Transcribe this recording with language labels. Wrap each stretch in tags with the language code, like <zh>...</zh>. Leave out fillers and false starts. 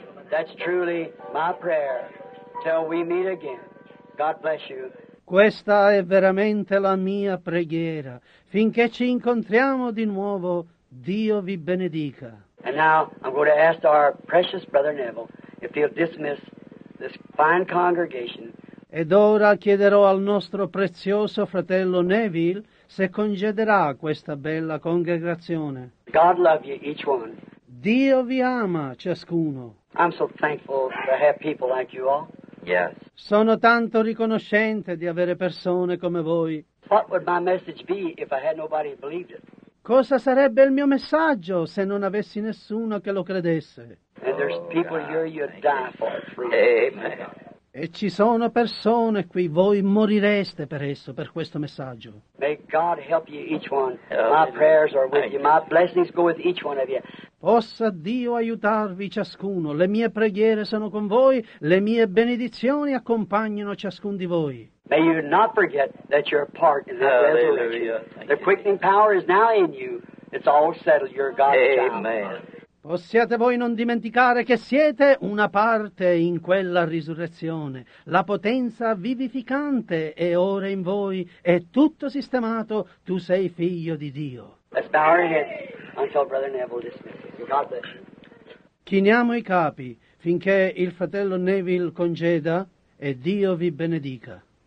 <en>That's truly my prayer, till we meet again. God bless you.</en> <it>Questa è veramente la mia preghiera, finché ci incontriamo di nuovo, Dio vi benedica.</it> <en>And now I'm going to ask our precious brother Neville, if he'll dismiss this fine congregation.</en> <it>Ed ora chiederò al nostro prezioso fratello Neville se congederà questa bella congregazione.</it> <en>God love you, each one.</en> <it>Dio vi ama, ciascuno.</it> <en>I'm so thankful to have people like you all. Yes.</en> <it>Sono tanto riconoscente di avere persone come voi.</it> <en>What would my message be if I had nobody believed it?</en> <it>Cosa sarebbe il mio messaggio se non avessi nessuno che lo credesse?</it> <en>And there's people here you'd die for. Amen.</en> <it>E ci sono persone qui, voi morireste per esso, per questo messaggio.</it> <en>May God help you each one. My prayers are with you. My blessings go with each one of you.</en> <it>Possa Dio aiutarvi ciascuno. Le mie preghiere sono con voi. Le mie benedizioni accompagnano ciascun di voi.</it> <en>May you not forget that you're a part in that resurrection. The quickening power is now in you. It's all settled. You're God's child. Amen.</en> <it>Possiate voi non dimenticare che siete una parte in quella risurrezione. La potenza vivificante è ora in voi, è tutto sistemato, tu sei figlio di Dio.</it> <en>Let's bow our heads until Brother Neville dismisses. God bless you.</en> <it>Chiniamo i capi finché il fratello Neville congeda e Dio vi benedica.</it>